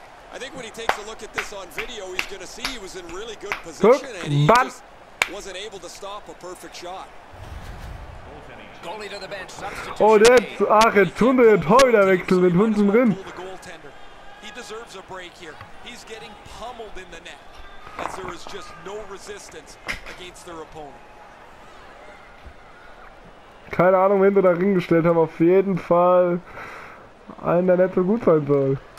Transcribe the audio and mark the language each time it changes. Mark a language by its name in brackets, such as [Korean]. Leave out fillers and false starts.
[English] I think when he takes a look at this on video, he's gonna see he was in really good position. Wasn't able to stop a perfect shot. Goalie to the bench. [German] Oh, jetzt, ach, jetzt tun wir den Torhüter wechseln, den Hund zum Rind. [English] The goaltender. He deserves a break here. He's getting pummeled in the net. As there is just no resistance against their opponent. [German] Keine Ahnung, wen wir da hingestellt haben. Auf jeden Fall einen, der nicht so gut sein soll.